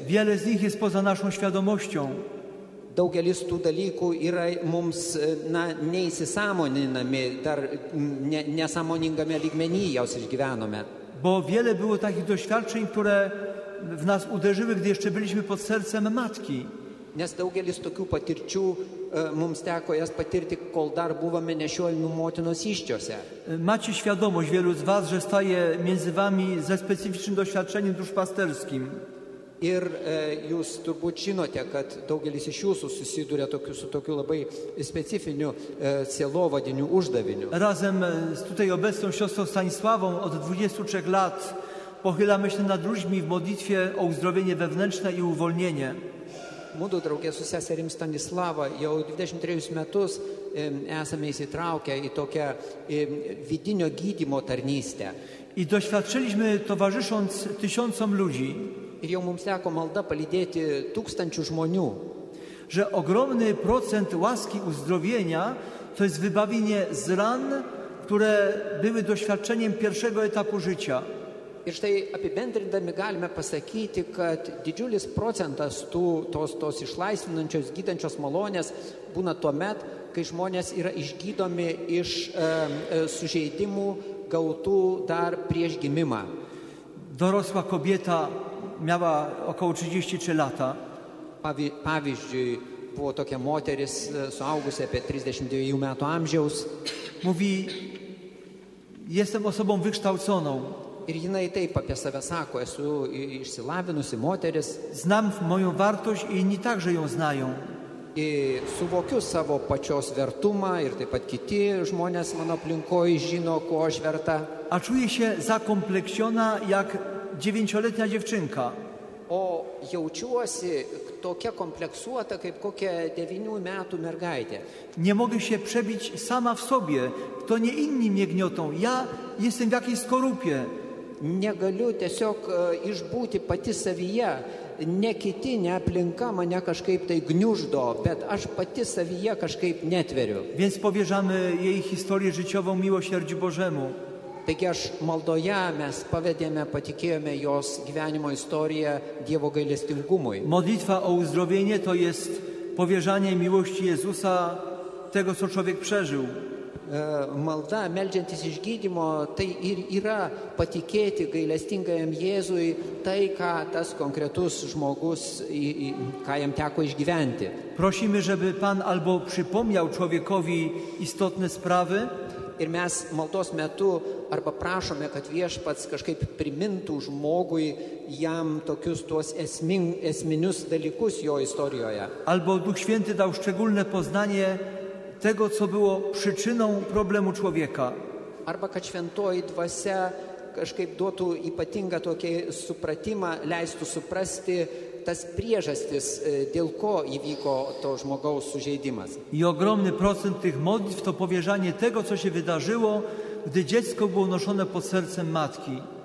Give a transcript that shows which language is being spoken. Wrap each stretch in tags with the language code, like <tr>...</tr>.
<pl>Wiele z nich jest poza naszą świadomością.</pl> <lt>Daugelis tų dalykų yra mums neįsisąmoninami, dar nesąmoningame lygmenyje jos išgyvenome.</lt> <pl>Bo wiele było takich doświadczeń, które w nas uderzyły, gdy jeszcze byliśmy pod sercem matki.</pl> <lt>Nes daugelis tokių patirčių mums teko jas patirti, kol dar buvome nešiojimų motinos iščiose.</lt> <pl>Macie świadomość, wielu z was, że staje między wami ze specyficznym doświadczeniem duszpasterskim.</pl> <lt>Ir jūs turbūt žinote, kad daugelis iš jūsų susiduria tokiu, su tokiu labai specifiniu sielovadiniu uždaviniu.</lt> <pl>Razem z tutaj obecną siostrą Stanisławą od 23 lat pochylamy się nad ludźmi w modlitwie o uzdrowienie wewnętrzne i uwolnienie.</pl> <lt>Mūdų draugė su seserim Stanislava jau 23 metus esame įsitraukę į tokią vidinio gydymo tarnystę.</lt> <pl>I doświadczyliśmy, towarzysząc tysiącom ludzi,</pl> <lt>ir jau mums teko malda palydėti tūkstančių žmonių,</lt> <pl>że ogromny procent łaski uzdrowienia to jest wybawienie z ran, które były doświadczeniem pierwszego etapu życia.</pl> <lt>Ir štai apibendrindami galime pasakyti, kad didžiulis procentas tos išlaisvinančios, gydančios malonės būna tuomet, kai žmonės yra išgydomi iš sužeidimų gautų dar prieš gimimą.</lt> <pl>Dorosła kobieta miała około 33 lata.</pl> <lt>Pavyzdžiui, buvo tokia moteris suaugusi apie 32 metų amžiaus.</lt> <pl>Mówi, jestem osobą wykształconą.</pl> <lt>Ir jinai taip apie save sako, esu išsilavinusi moteris.</lt> <pl>Znam moją wartość i inni także ją znają.</pl> <lt>I suvokiu savo pačios vertumą ir taip pat kiti žmonės mano aplinkoje žino, kuo aš verta.</lt> <pl>A czuję się zakompleksiona jak 9-letnia dziewczynka.</pl> <lt>O jaučiuosi tokia kompleksuota kaip kokia 9 metų mergaitė.</lt> <pl>Nie mogę się przebić sama w sobie, to nie inni mnie gniotą, ja jestem w jakiejś skorupie.</pl> <lt>Negaliu tiesiog išbūti pati savyje, ne kiti, ne aplinka mane kažkaip tai gniuždo, bet aš pati savyje kažkaip netveriu.</lt> <pl>Więc powierzamy jej historię życiową miłosierdziu Bożemu.</pl> <lt>Taigi aš maldoje mes pavedėme, patikėjome jos gyvenimo istoriją Dievo gailestingumui.</lt> <pl>Modlitva o uzdrowienie to jest powierzanie miłości Jezusa tego, co człowiek przeżył.</pl> <lt>Malda, meldžiantis išgydymo, tai ir yra patikėti gailestingajam Jėzui tai, ką tas konkretus žmogus, ką jam teko išgyventi.</lt> <pl>Prosimy, żeby Pan albo przypomniał człowiekowi istotne sprawy.</pl> <lt>Ir mes maldos metu arba prašome, kad Viešpats kažkaip primintų žmogui jam tokius tuos esminius dalykus jo istorijoje.</lt> <pl>Albo Duch Święty dał szczególne poznanie tego, co było przyczyną problemu człowieka.</pl> <lt>Arba kad Šventoji Dvasia kažkaip duotų ypatingą tokį supratimą, leistų suprasti tas priežastis, dėl ko įvyko to žmogaus sužeidimas.</lt> <pl>I ogromny procent tych modlitw to powierzanie tego, co się wydarzyło, gdy dziecko było noszone pod sercem matki.</pl>